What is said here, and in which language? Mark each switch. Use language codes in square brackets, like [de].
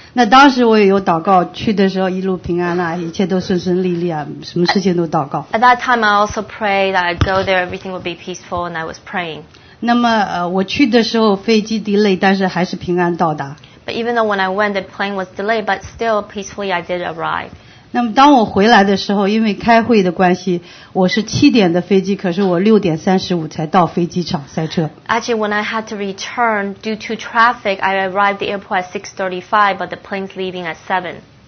[zh] 那当时我也有祷告，去的时候一路平安啊，一切都顺顺利利啊，什么事情都祷告。 [en] At that time I also prayed that I'd go there, everything would be peaceful, and I was praying. [zh] 那么我去的时候飞机 delay, 但是还是平安到达。 [en] But even though when I went, the plane was delayed, but still peacefully I did arrive. [zh] 那么当我回来的时候，因为开会的关系，我是七点的飞机，可是我6:35才到飞机场塞车。 [en] Actually, when I had to return due to traffic, I arrived at the airport at 6:35, but the plane's leaving at 7.